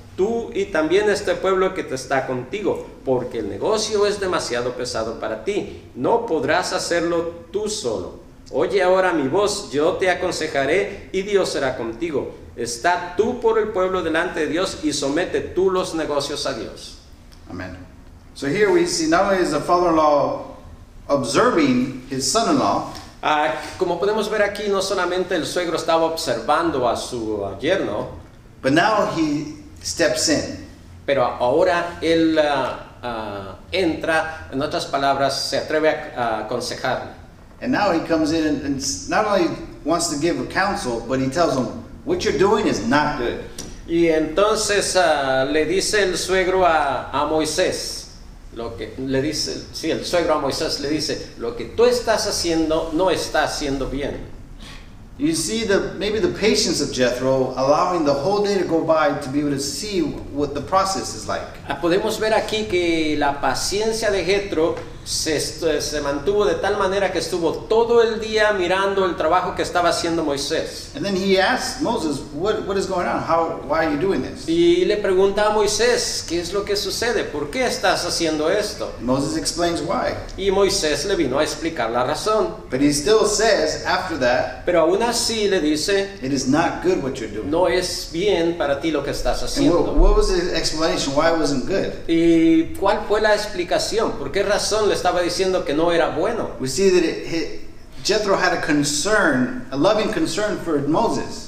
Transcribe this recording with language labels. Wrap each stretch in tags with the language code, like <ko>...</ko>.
<es>Tú y también este pueblo que te está contigo, porque el negocio es demasiado pesado para ti. No podrás hacerlo tú solo. Oye ahora mi voz, yo te aconsejaré y Dios será contigo. Está tú por el pueblo delante de Dios y somete tú los negocios a Dios. Amen.</es> <en>So here we see not only is the father-in-law observing his son-in-law.</en> <es>Como podemos ver aquí, no solamente el suegro estaba observando a su yerno.</es> <en>But now he steps in.</en> <es>Pero ahora él entra, en otras palabras, se atreve a aconsejar.</es> <en>And now he comes in and not only wants to give a counsel, but he tells him, what you're doing is not good.</en> <es>Y entonces le dice el suegro a Moisés, lo que le dice, sí, el suegro a Moisés le dice, lo que tú estás haciendo no está haciendo bien.</es> <en>You see maybe the patience of Jethro allowing the whole day to go by to be able to see what the process is like.</en> <es>Podemos ver aquí que la paciencia de Jethro se mantuvo de tal manera que estuvo todo el día mirando el trabajo que estaba haciendo Moisés.</es> <en>And then he asked Moses, what is going on? How, why are you doing this?</en> <es>Y le pregunta a Moisés, ¿qué es lo que sucede? ¿Por qué estás haciendo esto?</es> <en>Moses explains why.</en> <es>Y Moisés le vino a explicar la razón.</es> <en>But he still says after that,</en> <es>pero aún así le dice,</es> <en>it is not good what you're doing.</en> <es>No es bien para ti lo que estás haciendo.</es> <en>And what was the explanation why it wasn't good?</en> <es>¿Y cuál fue la explicación? ¿Por qué razón le estaba diciendo que no era bueno?</es> <en>We see that Jethro had a concern, a loving concern for Moses.</en>